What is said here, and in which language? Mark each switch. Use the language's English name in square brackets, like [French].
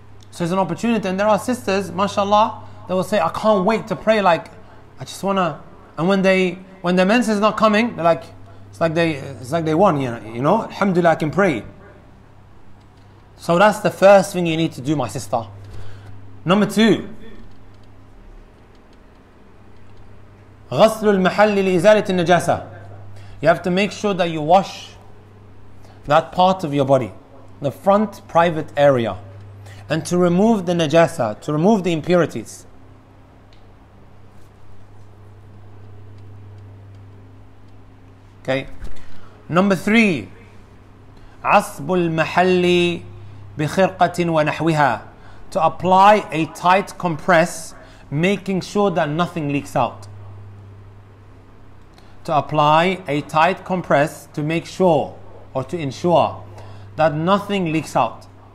[English] So it's an opportunity, and there are sisters, mashallah, that will say, I can't wait to pray, like, I just wanna. And when their menses is not coming, they're like, it's like they won, you know, alhamdulillah, I can pray. So that's the first thing you need to do, my sister. Number two, [Arabic] غسل المحل لإزالة النجاسة. [English] You have to make sure that you wash that part of your body, the front private area. And to remove the najasa, to remove the impurities. Okay. Number three, [Arabic] عصب المحل بخرقة ونحوها. [English] To apply a tight compress, making sure that nothing leaks out. To apply a tight compress to make sure or to ensure that nothing leaks out.